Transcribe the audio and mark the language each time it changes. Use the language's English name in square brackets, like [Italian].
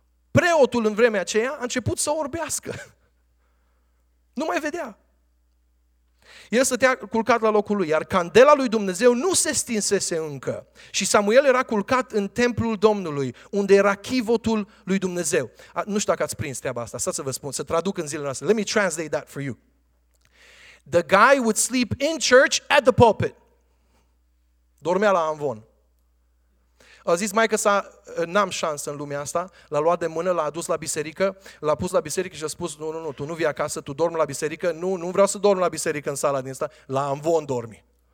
[Romanian] Preotul în vremea aceea a început să orbească. Nu mai vedea. El stătea culcat la locul lui, iar candela lui Dumnezeu nu se stinsese încă. Și Samuel era culcat în templul Domnului, unde era chivotul lui Dumnezeu. Nu știu dacă ați prins treaba asta, stați să vă spun, să traduc în zilele noastre. [English] Let me translate that for you. The guy would sleep in church at the pulpit. [Romanian] Dormea la amvon. A zis maică-sa, n-am șansă în lumea asta, l-a luat de mână, l-a adus la biserică, l-a pus la biserică și a spus, nu, tu nu vii acasă, tu dormi la biserică, nu vreau să dorm la biserică în sala din asta, la amvon dormi.